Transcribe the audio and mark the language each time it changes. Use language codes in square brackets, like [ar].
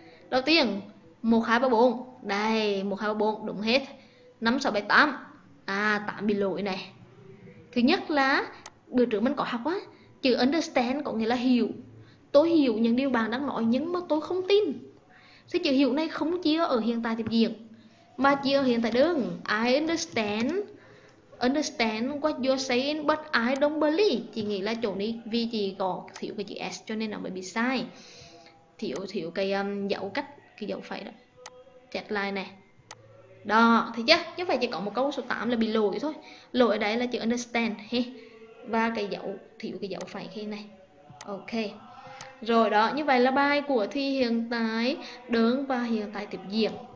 [vi] Đầu tiên 1, 2, 3, 4. Đây, 1, 2, 3, 4, đúng hết. 5, 6, 7, 8. À, 8 bị lỗi này. Thứ nhất là bữa trước mình có học á, chữ understand có nghĩa là hiểu. Tôi hiểu những điều bạn đang nói nhưng mà tôi không tin. Thế chữ hiểu này không chia ở hiện tại tiếp diễn, mà chia ở hiện tại đơn. [en] I understand, understand what you're saying but I don't believe. [vi] Chị nghĩ là chỗ này vì chị có thiếu cái chữ S cho nên nó mới bị sai. Thiếu thiếu cái dấu cách, cái dấu phẩy đó. Chẹt lại nè. Đó, thấy chưa? Như vậy chỉ có một câu số 8 là bị lỗi thôi. Lỗi ở đây là chữ understand hey. Và cái dấu, thiếu cái dấu phẩy khi này. Ok. Rồi đó, như vậy là bài của thi hiện tại đứng và hiện tại tiếp diễn.